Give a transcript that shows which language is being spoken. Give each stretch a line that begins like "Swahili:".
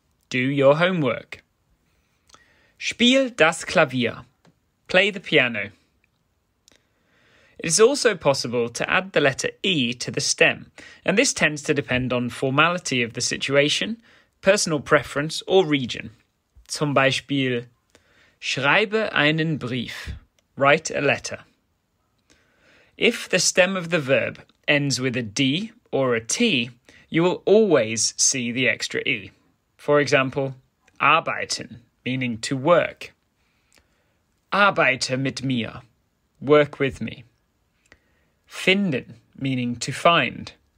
English: Do your homework.
German: Spiel das Klavier.
English: Play the piano. It is also possible to add the letter E to the stem, and this tends to depend on formality of the situation, personal preference or region.
German: Zum Beispiel, schreibe einen Brief,
English: write a letter. If the stem of the verb ends with a D or a T, you will always see the extra E. For example, arbeiten, meaning to work.
German: Arbeite mit mir,
English: work with me. Finden, meaning to find.